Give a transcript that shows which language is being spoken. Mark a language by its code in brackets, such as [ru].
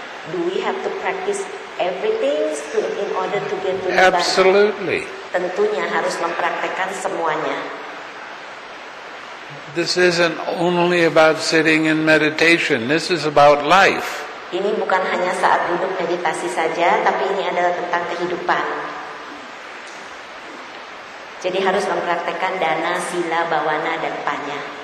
[en] Do we have to practice everything in order to get to Nibbana? Absolutely. [id] Tentunya harus mempraktekkan semuanya. [en] This isn't only about sitting in meditation. This is about life. [id] Ini bukan hanya saat duduk meditasi saja, tapi ini adalah tentang kehidupan. Jadi harus mempraktekkan dana, sila, bhavana, dan panya.